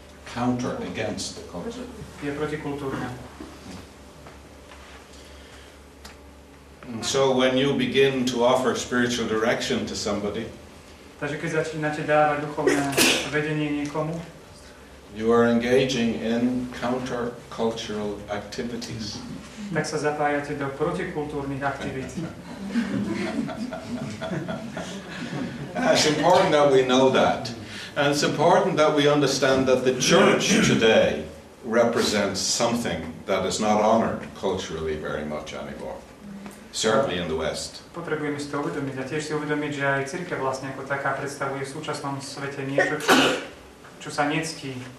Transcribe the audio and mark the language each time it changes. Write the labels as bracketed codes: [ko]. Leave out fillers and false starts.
[en] counter against the culture. [sk] Je protikultúrne. [en] So when you begin to offer spiritual direction to somebody, [sk] takže keď začínate dávať duchovné vedenie niekomu, [en] you are engaging in counter-cultural activities. [sk] Tak sa zapájate do protikultúrnych aktivít. [en] It's important that we know that. And it's important that we understand that the church today represents something that is not honored culturally very much anymore. Certainly in the West. [sk] Potrebujeme si to uvedomiť a tiež si uvedomiť, že aj cirkev vlastne ako taká predstavuje v súčasnom svete niečo, čo sa nectí.